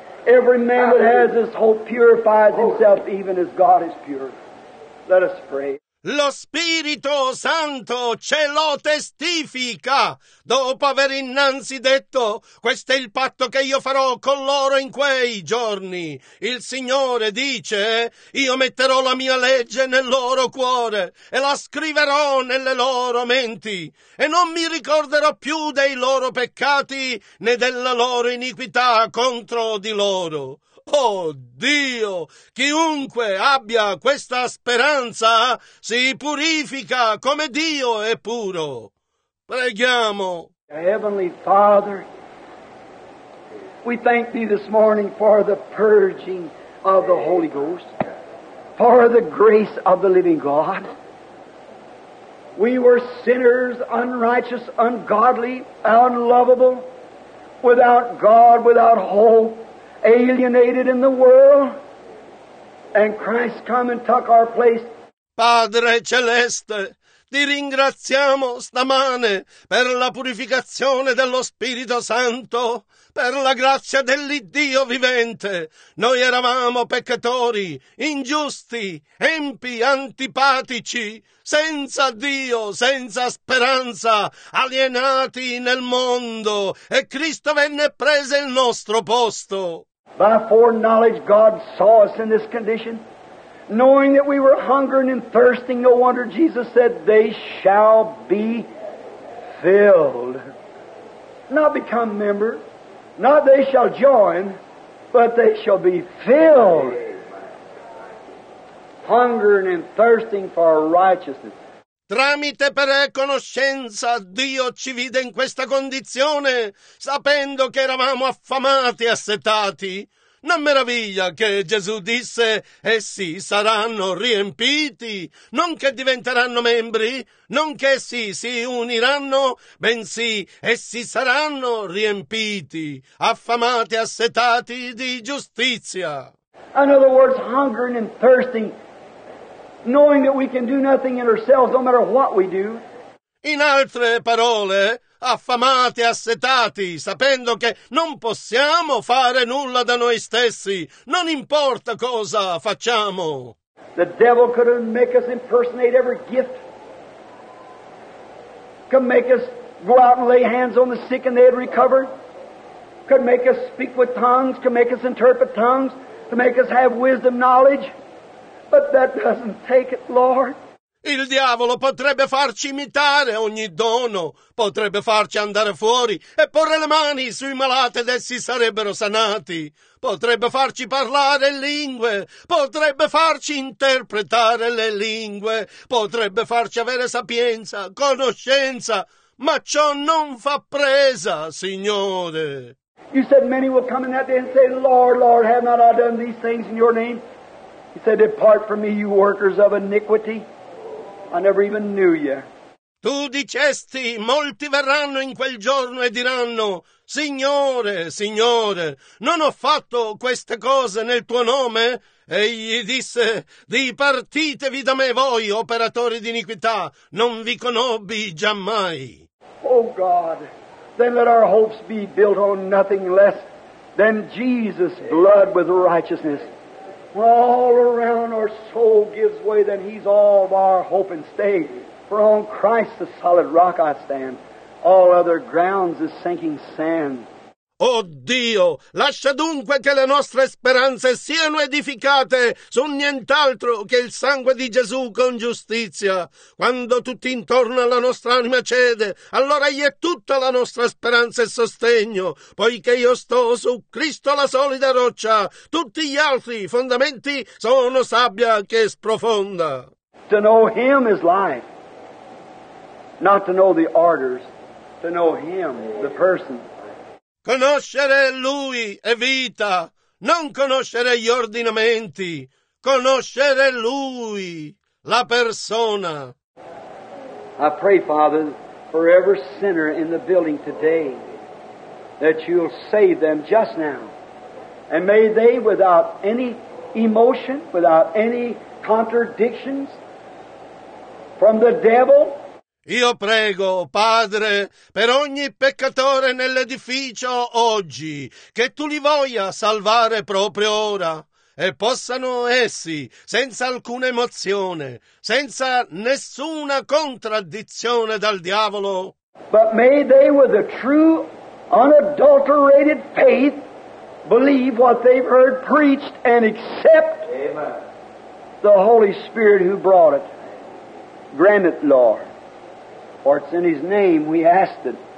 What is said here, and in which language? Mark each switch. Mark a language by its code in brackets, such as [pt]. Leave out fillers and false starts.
[en] Every man that has this hope purifies himself even as God is pure. Let us pray. [it] Lo Spirito Santo ce lo testifica, dopo aver innanzi detto, questo è il patto che io farò con loro in quei giorni. Il Signore dice, io metterò la mia legge nel loro cuore e la scriverò nelle loro menti e non mi ricorderò più dei loro peccati né della loro iniquità contro di loro. Oh Dio, chiunque abbia questa speranza si purifica come Dio è puro. Preghiamo. [en] Heavenly Father, we thank thee this morning for the purging of the Holy Ghost, for the grace of the living God. We were sinners, unrighteous, ungodly, unlovable, without God, without hope, alienated in the world, and Christ come and took our place. [it] Padre Celeste, ti ringraziamo stamane per la purificazione dello Spirito Santo, per la grazia dell'Iddio vivente. Noi eravamo peccatori, ingiusti, empi, antipatici, senza Dio, senza speranza, alienati nel mondo, e Cristo venne e prese il nostro posto. [en] By foreknowledge God saw us in this condition, knowing that we were hungering and thirsting, no wonder Jesus said, they shall be filled. Not become member, not they shall join, but they shall be filled. Hungering and thirsting for righteousness. [it] Tramite preconoscenza Dio ci vide in questa condizione, sapendo che eravamo affamati e assetati. Non meraviglia che Gesù disse, essi saranno riempiti, non che diventeranno membri, non che essi si uniranno, bensì essi saranno riempiti, affamati e assetati di giustizia. [en] In other words, hungering and thirsting, knowing that we can do nothing in ourselves, no matter what we do. [it] In altre parole, affamati, assetati, sapendo che non possiamo fare nulla da noi stessi, non importa cosa facciamo. [en] The devil could make us impersonate every gift, could make us go out and lay hands on the sick and they'd recover, could make us speak with tongues, could make us interpret tongues, could make us have wisdom, knowledge. But that doesn't take it, Lord. [it] Il diavolo potrebbe farci imitare ogni dono, potrebbe farci andare fuori e porre le mani sui malati ed essi sarebbero sanati, potrebbe farci parlare lingue, potrebbe farci interpretare le lingue, potrebbe farci avere sapienza, conoscenza, ma ciò non fa presa, Signore. [en] You said many will come in that day and say, Lord, Lord, have not I done these things in your name? He said, depart from me, you workers of iniquity. I never even knew you. [it] Tu dicesti, molti verranno in quel giorno e diranno, Signore, Signore, non ho fatto queste cose nel tuo nome? Egli disse, dipartitevi da me voi, operatori di iniquità, non vi conobbi giammai. [en] Oh God, then let our hopes be built on nothing less than Jesus' blood with righteousness. When all around our soul gives way, then he's all of our hope and stay. For on Christ the solid rock I stand, all other grounds is sinking sand. [it] Oh Dio, lascia dunque che le nostre speranze siano edificate su nient'altro che il sangue di Gesù con giustizia. Quando tutto intorno alla nostra anima cede, allora egli è tutta la nostra speranza e sostegno. Poiché io sto su Cristo la solida roccia, tutti gli altri fondamenti sono sabbia che sprofonda. [en] To know him is life. Not to know the orders, to know him, the person. [it] Conoscere Lui è vita, non conoscere gli ordinamenti, conoscere Lui, la persona. [en] I pray, Father, for every sinner in the building today, that you'll save them just now. And may they, without any emotion, without any contradictions from the devil, [it] io prego, Padre, per ogni peccatore nell'edificio oggi, che Tu li voglia salvare proprio ora, e possano essi, senza alcuna emozione, senza nessuna contraddizione dal diavolo, [en] but may they with a true, unadulterated faith believe what they've heard preached and accept. Amen. The Holy Spirit who brought it. Grant it, Lord. For it's in his name we asked it.